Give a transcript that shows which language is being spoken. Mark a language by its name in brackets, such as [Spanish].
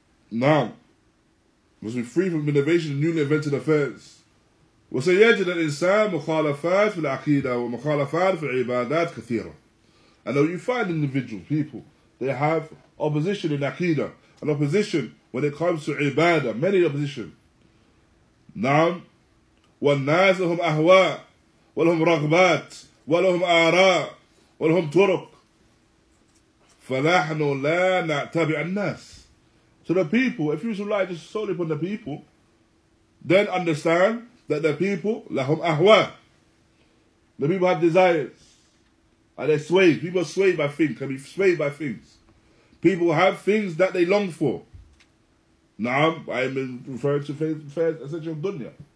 [English] Now, must be free from innovation in newly invented affairs. [Arabic] وَسَيَجِدَ الْإِنسَانُ مُخَالَفَاتِ فِي الْعَقِيدَةِ وَمُخَالَفَاتِ فِي الْعِبَادَاتِ كَثِيرًا. [English] And you find individuals, people, they have opposition in aqidah, an opposition when it comes to ibadah, many opposition. [Arabic] نعم والناس لهم أهواء ولهم رغبات ولهم آراء ولهم طرق فنحن لا نتبع الناس. [English] So the people, if you rely just solely upon the people, then understand that the people [Arabic] لهم أهواء. [English] The people have desires and they're swayed. People are swayed by things, can be swayed by things. People have things that they long for. Naam, I'm referring to affairs essential of dunya.